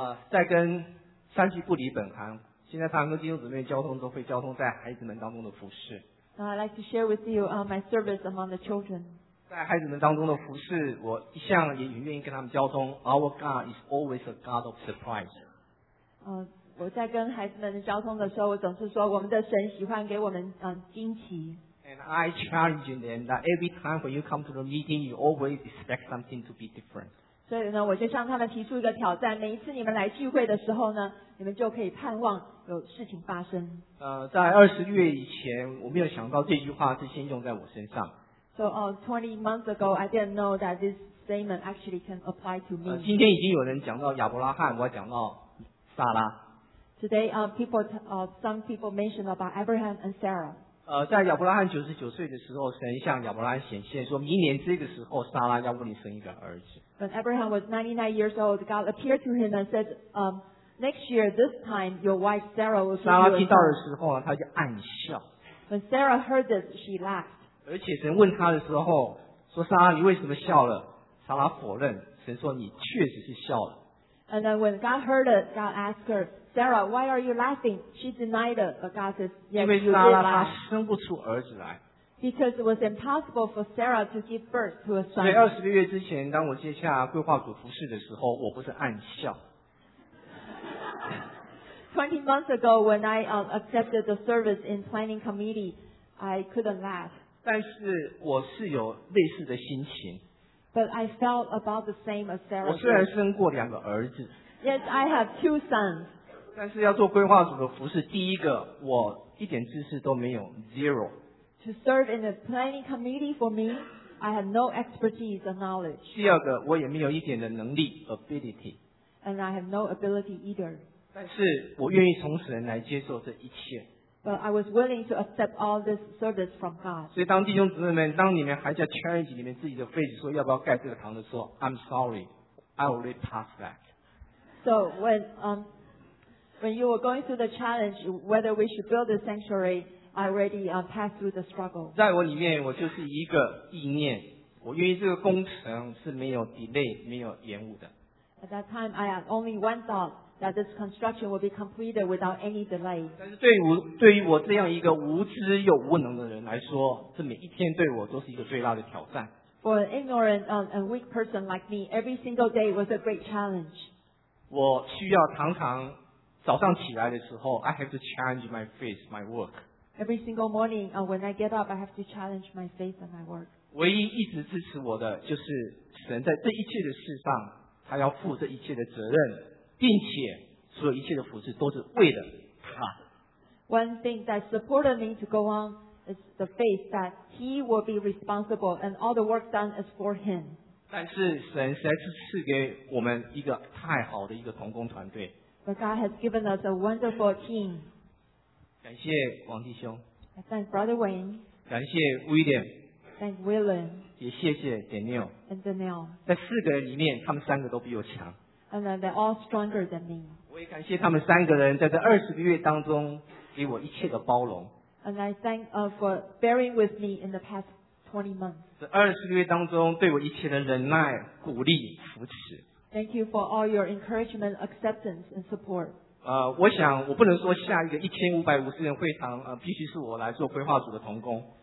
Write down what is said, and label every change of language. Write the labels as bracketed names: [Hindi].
[Chinese] 在跟三级不离本行现在常跟弟兄姊妹交通都会交通在孩子们当中的服事 [English] I'd like to share with you my service among the children [Chinese] 在孩子们当中的服事我一向也很愿意跟他们交通 [English] Our God is always a God of surprise [Chinese] 我在跟孩子们交通的时候我总是说我们的神喜欢给我们惊奇 [English] And I challenge them that every time when you come to the meeting you always expect something to be different [Chinese] 所以呢，我就向他们提出一个挑战。每一次你们来聚会的时候呢，你们就可以盼望有事情发生。在二十月以前，我没有想到这句话是先用在我身上。 [English] So, 20 months ago, I didn't know that this statement actually can apply to me. [Chinese] 今天已经有人讲到亚伯拉罕，我讲到撒拉。 [English] Today, some people mentioned about Abraham and Sarah. [Chinese] 在亚伯拉罕99岁的时候，神向亚伯拉罕显现说，明年这个时候，撒拉要为你生一个儿子。 [English] When Abraham was 99 years old, God appeared to him and said, next year, this time, your wife Sarah will give you a son. [Chinese] 听到的时候他就暗笑。 [English] When Sarah heard this, she laughed. [Chinese] 而且神问他的时候说撒拉你为什么笑了撒拉否认神说你确实是笑了。 [English] And then when God heard it, God asked her, Sarah, why are you laughing? She denied it, but God says, yes, you did laugh. [Chinese] 因为撒拉他生不出儿子来。 [English] Because it was impossible for Sarah to give birth to a son. [Chinese] 所以二十个月之前，当我接下规划组服事的时候，我不是暗笑。 [English] 20 months ago, when I accepted the service in planning committee, I couldn't laugh. [Chinese] 但是我是有类似的心情。 [English] But I felt about the same as Sarah. [Chinese] 我虽然生过两个儿子。 [English] Yes, I have two sons. [Chinese] 但是要做规划组的服事，第一个我一点知识都没有 ，zero。 [English] To serve in a planning committee for me, I have no expertise or knowledge. [Chinese] 第二个，我也没有一点的能力 ability. [English] And I have no ability either. [Chinese] 但是我愿意从神来接受这一切。 [English] But I was willing to accept all this service from God. [Chinese] 所以当弟兄姊妹们，当你们还在 challenge 里面自己的 faith 说要不要盖这个堂的时候 ， [English] I'm sorry, I already passed that. So when you were going through the challenge whether we should build a sanctuary. I already passed through the struggle. [Chinese] 在我里面，我就是一个意念，我愿意这个工程是没有 delay， 没有延误的。 [English] At that time, I had only one thought that this construction would be completed without any delay. [Chinese] 但是对于我这样一个无知又无能的人来说，这每一天对我都是一个最大的挑战。 [English] For an ignorant and weak person like me, every single day was a great challenge. [Chinese] 我需要常常早上起来的时候 ， [English] I have to challenge my faith, my work. Every single morning, when I get up, I have to challenge my faith and my work. [Chinese] 唯一一直支持我的就是神在这一切的事上，他要负这一切的责任，并且所有一切的服事都是为了他。 [English] One thing that supported me to go on is the faith that he will be responsible and all the work done is for him. [Chinese] 但是神实在是赐给我们一个太好的一个同工团队。 [English] But God has given us a wonderful team. [Chinese] 感谢王弟兄。 [English] I thank Brother Wayne. [Chinese] 感谢 William. [English] Thank William. [Chinese] 也谢谢 Daniel. [English] And Daniel. [Chinese] 在四个人里面，他们三个都比我强。 [English] And they're all stronger than me. [Chinese] 我也感谢他们三个人在这二十个月当中给我一切的包容。 [English] And I thank for bearing with me in the past 20 months. [Chinese] 这二十个月当中对我一切的忍耐、鼓励、扶持。 [English] Thank you for all your encouragement, acceptance, and support. [Chinese] 我想我不能说下一个1550人会堂必须是我来做规划组的同工。